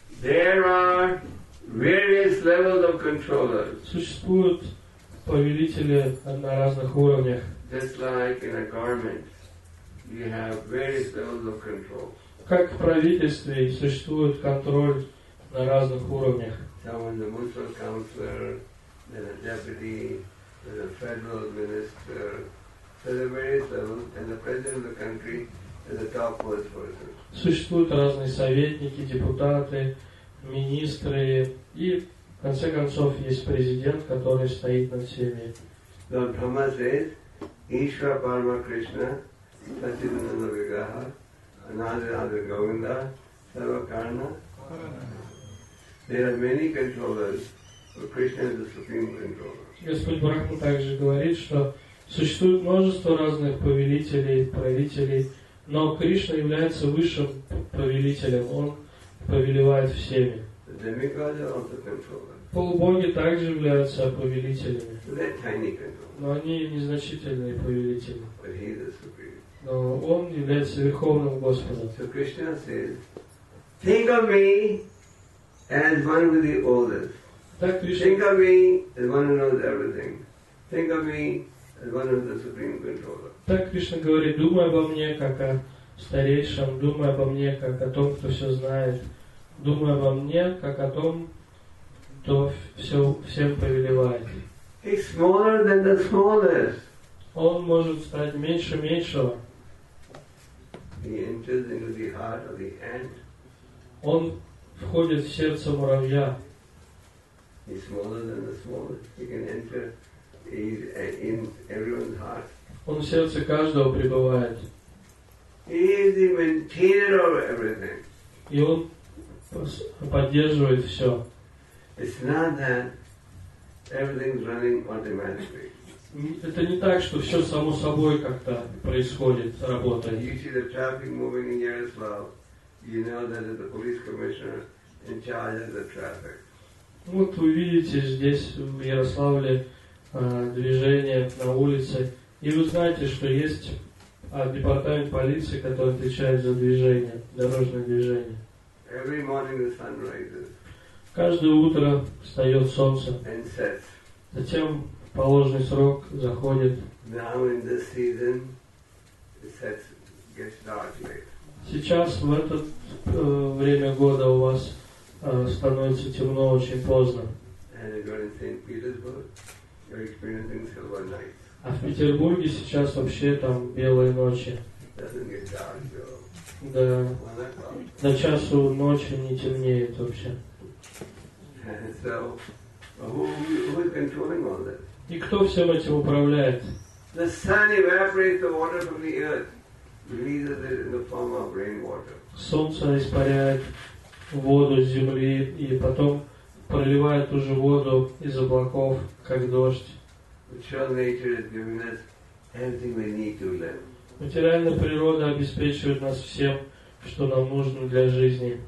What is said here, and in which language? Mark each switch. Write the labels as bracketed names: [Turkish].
[English] There are various levels of controllers. [Russian] Существуют повелители на разных уровнях. [English] Just like in a garment, you have various levels of control. [Russian] Как в правительстве существует контроль на разных уровнях. [English] Someone is a municipal councillor, then a deputy, then a federal minister, so the various levels, and the president of the country is the top worst person. [Russian] Существуют разные советники, депутаты, министры, и в конце концов есть президент, который стоит над всеми. [English] Lord Brahma says, [Sanskrit] Ishwara Parama Krishna, Satchidananda Vigraha, Anadhyanada Govinda, Sarvakarna. [English] There are many controllers, but Krishna is the supreme controller. [Russian] Господь Брахма также говорит, что существует множество разных повелителей, правителей, но Кришна является высшим повелителем. Он повелевает всеми. [English] The demigods are also controllers. [Russian] Полубоги также являются повелителями. [English] They're tiny controllers. [Russian] Но они незначительные повелители. [English] But he is the supreme. [Russian] Но он является верховным Господом. [English] So Krishna says, "Think of me." As one with the oldest. Think of me as one who knows everything. Think of me as one of the supreme controller. [Russian] Так Кришна говорит, думай обо мне как о старейшем, думай обо мне как о том, кто все знает, думай обо мне как о том, кто все всем повелевает. [English] He's smaller than the smallest. [Russian] Он может стать меньше меньшего. [English] He enters into the heart of the ant. [Russian] Он входит в сердце муравья. [English] He's smaller than the smallest. He can enter in everyone's heart. [Russian] Он в сердце каждого пребывает. [English] He is the maintainer of everything. [Russian] И он поддерживает все. [English] It's not that everything's running automatically. [Russian] Это не так, что все само собой как-то происходит, работает. [English] You see the traffic moving in Yaroslav. You know that the police commissioner in charge of the traffic. [Russian] Вот вы видите здесь в Ярославле движение на улице, и вы знаете, что есть департамент полиции, который отвечает за движение, дорожное движение. [English] Every morning the sun rises. [Russian] Каждое утро встает солнце. [English] And sets. [Russian] Затем положенный срок заходит. [English] Now in this season, it sets, gets dark late. [Russian] Сейчас в это время года у вас становится темно очень поздно. [English] And you're in St. Petersburg, you're experiencing silver nights. [Russian] А в Петербурге сейчас вообще там белые ночи. [English] Doesn't get dark, so... [Russian] Да. До часу ночи не темнеет вообще. [English] So, who is controlling all that? [Russian] И кто всем этим управляет? [English] The sun evaporates the water from the earth, releases it in the form of rainwater. [Russian] Солнце испаряет воду с земли и потом проливает уже воду из облаков, как дождь. [English] Sure, nature is giving us everything we need to live. [Russian] Материальная природа обеспечивает нас всем, что нам нужно для жизни.